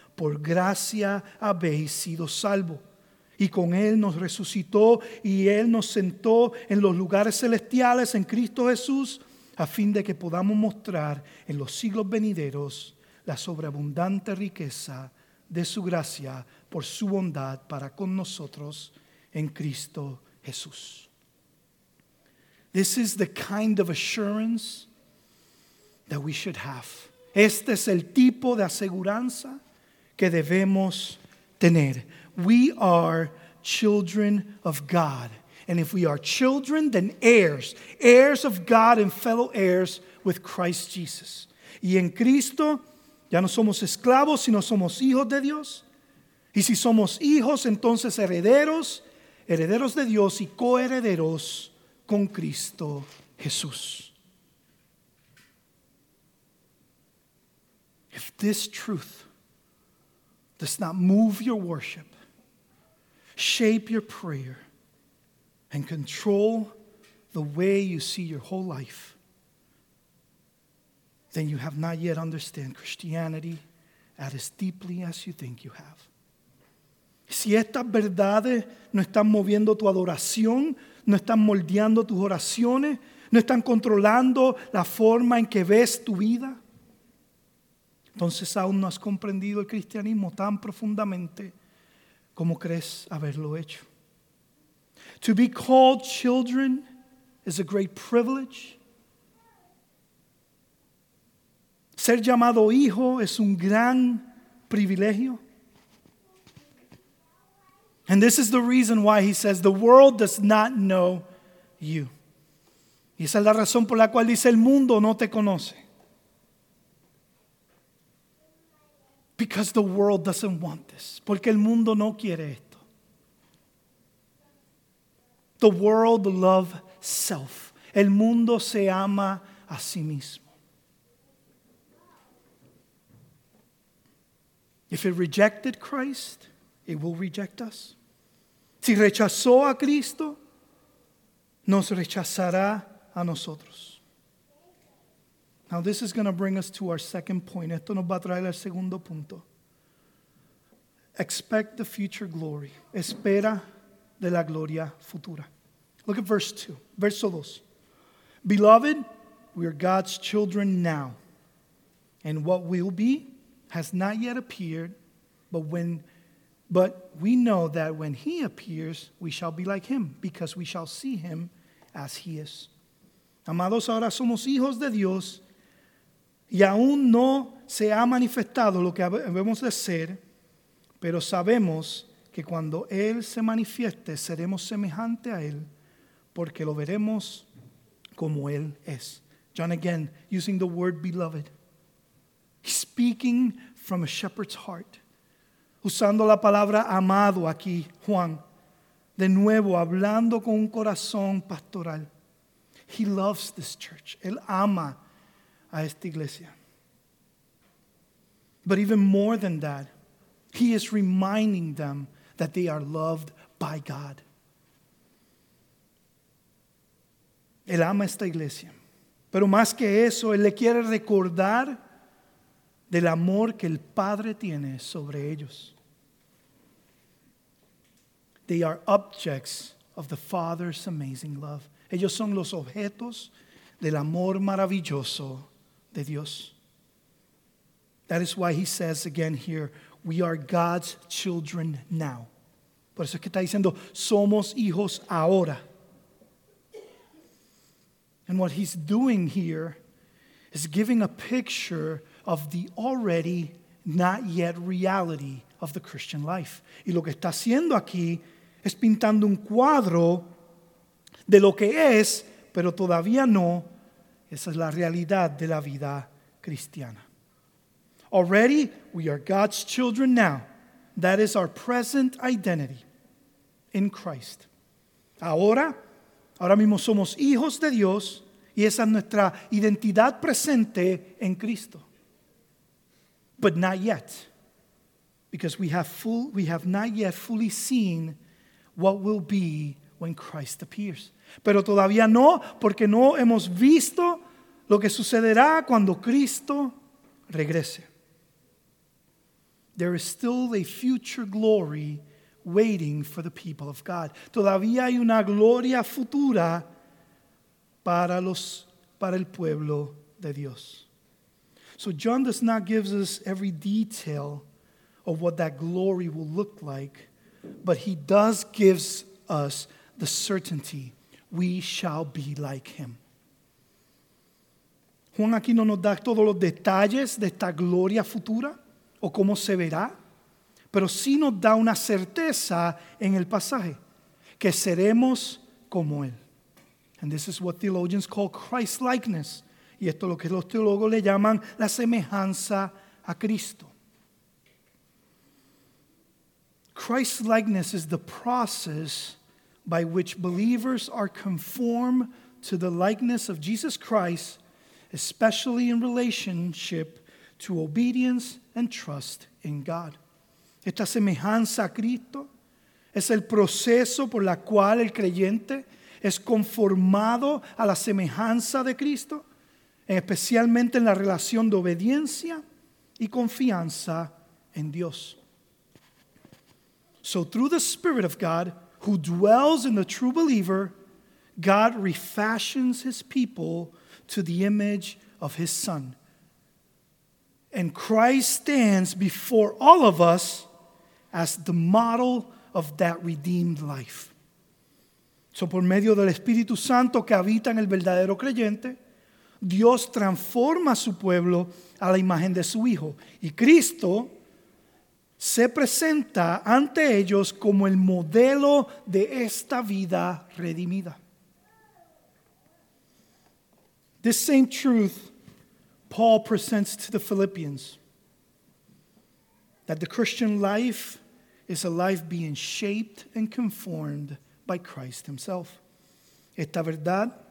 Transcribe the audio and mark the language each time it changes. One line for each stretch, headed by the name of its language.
Spanish: Por gracia habéis sido salvos. Y con Él nos resucitó y Él nos sentó en los lugares celestiales en Cristo Jesús, a fin de que podamos mostrar en los siglos venideros la sobreabundante riqueza de su gracia por su bondad para con nosotros en Cristo Jesús.
English: This is the kind of assurance that we should have.
Spanish: Este es el tipo de aseguranza que debemos tener.
English: We are children of God. And if we are children, then heirs, heirs of God and fellow heirs with Christ Jesus.
Spanish: Y en Cristo ya no somos esclavos, sino somos hijos de Dios. Y si somos hijos, entonces herederos, herederos de Dios y coherederos con Cristo Jesús.
English: If this truth does not move your worship, shape your prayer, and control the way you see your whole life, then you have not yet understood Christianity as deeply as you think you have.
Spanish: Si estas verdades no están moviendo tu adoración, no están moldeando tus oraciones, no están controlando la forma en que ves tu vida, entonces aún no has comprendido el cristianismo tan profundamente como crees haberlo hecho.
English: To be called children is a great privilege.
Spanish: Ser llamado hijo es un gran privilegio.
English: And this is the reason why he says the world does not know you.
Spanish: Y esa es la razón por la cual dice el mundo no te conoce.
English: Because the world doesn't want this.
Spanish: Porque el mundo no quiere esto.
English: The world loves self.
Spanish: El mundo se ama a sí mismo.
English: If it rejected Christ, it will reject us.
Spanish: Si rechazó a Cristo, nos rechazará a nosotros.
English: Now this is going to bring us to our second point.
Spanish: Esto nos va a traer al segundo punto.
English: Expect the future glory.
Spanish: Espera de la gloria futura.
English: Look at verse 2.
Spanish: Verso 2.
English: Beloved, we are God's children now. And what will be has not yet appeared. But we know that when he appears, we shall be like him. Because we shall see him as he is.
Spanish: Amados, ahora somos hijos de Dios. Y aún no se ha manifestado lo que habemos de ser. Pero sabemos que cuando él se manifieste, seremos semejante a él. Porque lo veremos como él es.
English: John again, using the word beloved. Speaking from a shepherd's heart.
Spanish: Usando la palabra amado aquí, Juan. De nuevo, hablando con un corazón pastoral.
English: He loves this church.
Spanish: Él ama a esta iglesia.
English: But even more than that, he is reminding them that they are loved by God.
Spanish: Él ama esta iglesia. Pero más que eso, él le quiere recordar del amor que el Padre tiene sobre ellos.
English: They are objects of the Father's amazing love.
Spanish: Ellos son los objetos del amor maravilloso de Dios.
English: That is why he says again here, we are God's children now.
Spanish: Por eso es que está diciendo, somos hijos ahora.
English: And what he's doing here is giving a picture of the already not yet reality of the Christian life.
Spanish: Y lo que está haciendo aquí es pintando un cuadro de lo que es, pero todavía no. Esa es la realidad de la vida cristiana.
English: Already, we are God's children now. That is our present identity in Christ.
Spanish: Ahora, ahora mismo somos hijos de Dios. Y esa es nuestra identidad presente en Cristo.
English: But not yet. Because we have not yet fully seen what will be when Christ appears.
Spanish: Pero todavía no, porque no hemos visto lo que sucederá cuando Cristo regrese.
English: There is still a future glory waiting for the people of God.
Spanish: Todavía hay una gloria futura para el pueblo de Dios.
English: So John does not give us every detail of what that glory will look like, but he does give us the certainty we shall be like him.
Spanish: Juan aquí no nos da todos los detalles de esta gloria futura o cómo se verá, pero sí nos da una certeza en el pasaje, que seremos como Él.
English: And this is what theologians call Christ-likeness.
Spanish: Y esto es lo que los teólogos le llaman la semejanza a Cristo.
English: Christ-likeness is the process by which believers are conformed to the likeness of Jesus Christ, especially in relationship to obedience and trust in God.
Spanish: Esta semejanza a Cristo es el proceso por la cual el creyente es conformado a la semejanza de Cristo, especialmente en la relación de obediencia y confianza en Dios.
English: So through the Spirit of God, who dwells in the true believer, God refashions his people to the image of his Son. And Christ stands before all of us as the model of that redeemed life.
Spanish: So por medio del Espíritu Santo que habita en el verdadero creyente, Dios transforma a su pueblo a la imagen de su Hijo. Y Cristo se presenta ante ellos como el modelo de esta vida redimida.
English: This same truth Paul presents to the Philippians, that the Christian life is a life being shaped and conformed by Christ himself.
Spanish: Esta verdad,